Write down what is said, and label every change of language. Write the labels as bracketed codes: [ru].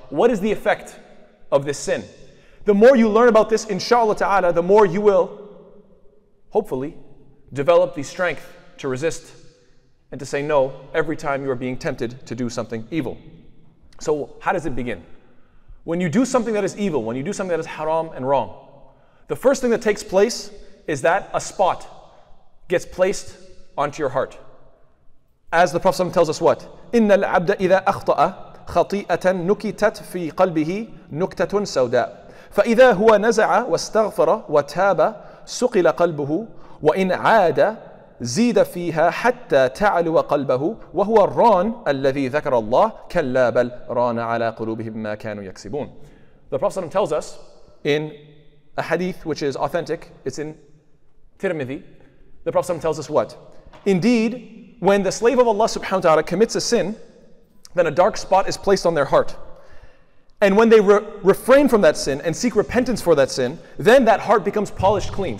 [en] What is the effect of this sin? The more you learn about this, inshallah ta'ala, the more you will, hopefully, develop the strength to resist and to say no every time you are being tempted to do something evil. So how does it begin? When you do something that is evil, when you do something that is haram and wrong, the first thing that takes place is that a spot gets placed onto your heart. As the Prophet tells us what? [ar] إِنَّ الْعَبْدَ إِذَا أَخْطَأَ خَطِيئَةً نُكِتَتْ فِي قَلْبِهِ نُكْتَةٌ سَوْدَاءَ فَإِذَا هُوَ نَزَعَ وَاسْتَغْفَرَ وَتَابَ سُقِلَ قَلْبُهُ وَإِنْ عَادَ زيد فيها حتى تعلو قلبه وهو الران الذي ذكر الله كلا بل ران على قلوبهم ما كانوا يكسبون. [en] The Prophet tells us in a hadith which is authentic, it's in Tirmidhi, the Prophet tells us what? Indeed, when the slave of Allah subhanahu wa ta'ala commits a sin, then a dark spot is placed on their heart. And when they refrain from that sin and seek repentance for that sin, then that heart becomes polished clean.